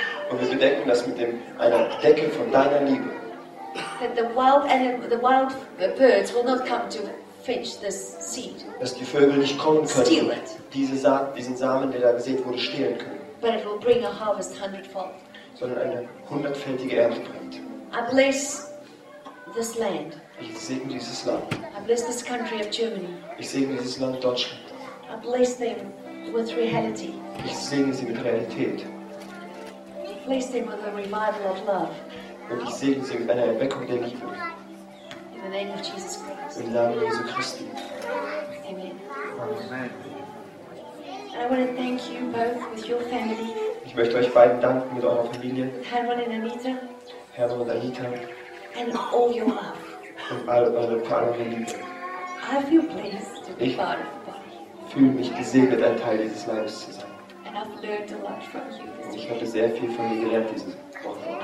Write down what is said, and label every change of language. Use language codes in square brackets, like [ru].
[de] Und wir bedecken das mit einer Decke von deiner Liebe. [en] That the wild birds will not come to finish this seed. [de] Dass die Vögel nicht kommen können. [en] Steal it. [de] Diesen Samen, der da gesät wurde, stehlen können. [en] But it will bring a harvest hundredfold. [de] Sondern eine hundertfältige Ernte bringt. [en] I bless this land. [de] Ich segne dieses Land. [en] I bless this country of Germany. [de] Ich segne dieses Land Deutschland. [en] I bless them with reality. [de] Ich segne sie mit Realität. [en] I bless them with a revival of love. [de] Und ich segne sie mit einer Erweckung der Liebe. [en] In the name of Jesus Christ. [de] Im Namen Jesu Christi. [en] Amen. [de] Amen. [en] I want to thank you both with your family. [de] Ich möchte euch beiden danken mit eurer Familie. Hermann und Anita. Hermann und Anita. [en] And all your love. [de] Und all eure Familie. [en] I feel blessed to be part of the body. [de] Fühle mich gesegnet, ein Teil dieses Leibes zu sein. [en] And I've learned a lot from you. [de] Und ich habe sehr viel von dir gelernt dieses Wochenende.